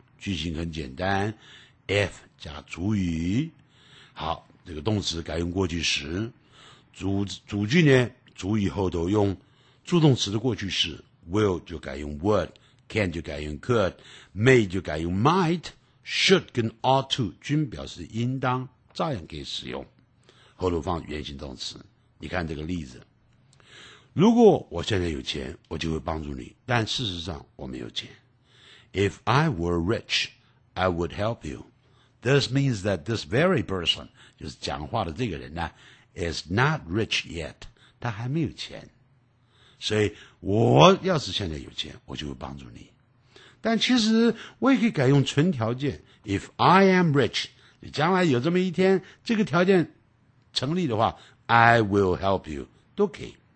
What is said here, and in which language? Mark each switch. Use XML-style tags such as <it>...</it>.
<zh>句型很简单 ，if 加主语，好，这个动词改用过去时，主句呢，主语后头用助动词的过去式 ，will 就改用 would，can 就改用 could，may 就改用 might，should 跟 ought to 均表示应当，照样可以使用。后头放原形动词，你看这个例子，如果我现在有钱，我就会帮助你，但事实上我没有钱。</zh> <en>If I were rich, I would help you. This means that this very person,</en> <zh>就是讲话的这个人呢，</zh> <en>is not rich yet.</en> <zh>他还没有钱。所以我要是现在有钱，我就会帮助你。但其实我也可以改用纯条件。</zh> <en>If I am rich,</en> <zh>你将来有这么一天，这个条件成立的话，</zh> <en>I will help you,</en> <zh>都可以。</zh>